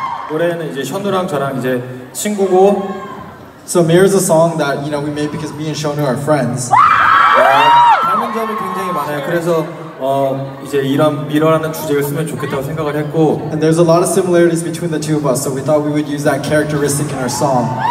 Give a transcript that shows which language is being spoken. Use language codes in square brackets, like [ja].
[ko] 노래는 이제 션우랑 저랑 이제 친구고 [en] So Mirror is a song that you know we made because me and Shonu are friends. [ko] 닮은 점이 굉장히 많아요. 그래서 이제 이런 미러라는 주제를 쓰면 좋겠다고 생각을 했고 [en] And there's a lot of similarities between the two of us, so we thought we would use that characteristic in our song.